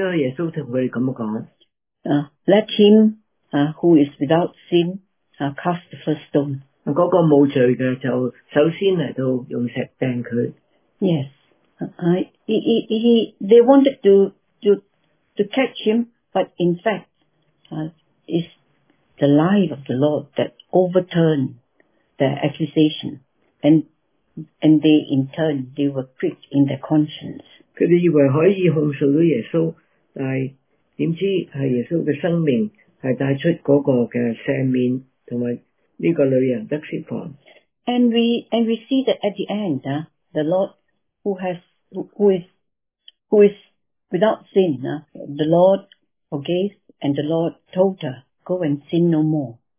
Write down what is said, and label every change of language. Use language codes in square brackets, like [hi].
[zh] 他們不能控告耶穌,因為耶穌跟他們這樣說, [en] let him who is without sin cast the first stone. [zh] 那個沒罪的就首先來用石釘他。 [en] Yes. They wanted to catch him, but in fact, it's the life of the Lord that overturned their accusation, and they in turn they were pricked in their conscience. [zh] 他們以為可以控訴耶穌,但誰知耶穌的生命是帶出那個赦免,和這個女人得釋放。 [en] And we see that at the end, the Lord who is without sin, the Lord forgave and the Lord told her, go and sin no more.